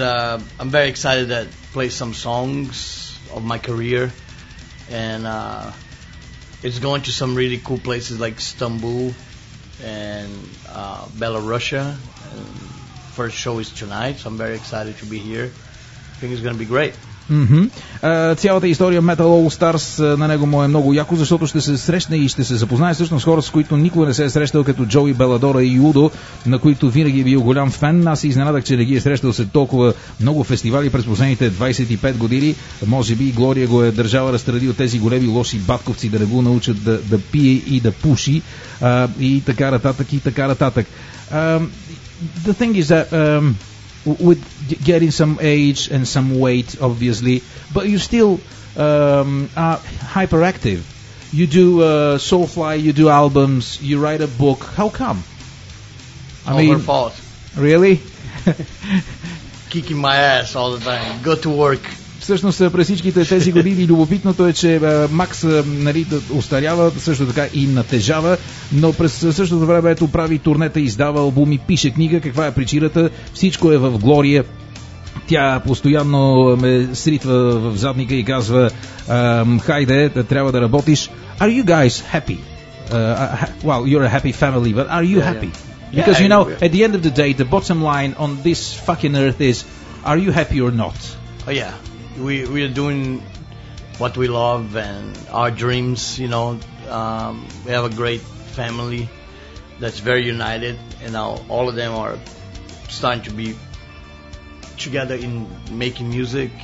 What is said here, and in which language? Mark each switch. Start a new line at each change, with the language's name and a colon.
English: I'm very excited to play some songs of my career, and it's going to some really cool places like Istanbul. And Belarus, first show is tonight, so I'm very excited to be here. I think it's going to be great. Mm-hmm.
Bulgarian: Цялата история Metal All Stars на него му е много яко, защото ще се срещне и ще се запознае всъщност с хора, с които никога не се е срещал, като Джои Беладора и Удо, на които винаги е бил голям фен. Аз се изненадах, че не ги е срещал след толкова много фестивали през последните 25 години. Може би Глория го е държава разстради от тези големи лоши батковци, да не го научат да пие и да пуши и така нататък, и така нататък.
English: The thing is that with getting some age and some weight, obviously, but you still are hyperactive. You do Soulfly, you do albums, you write a book. How come? I mean, her fault. Really? Kicking my ass all the time. Go to work.
Bulgarian: Всъщност през всичките тези години любопитното е, че Макс нали, остарява, също така и натежава, но през същото време ето прави турнета, издава албуми, пише книга. Каква е причината? Всичко е в Глория. Тя постоянно ме сритва в задника и казва, хайде, трябва да работиш.
English: Are you guys happy? Well, you're a happy family, but are you happy? Yeah. Because yeah, you know, at the end of the day, the bottom line on this fucking earth is, are you happy or not? Oh yeah. We are doing what we love and our dreams, you know. We have a great family that's very united, and now all of them are starting to be together in making music.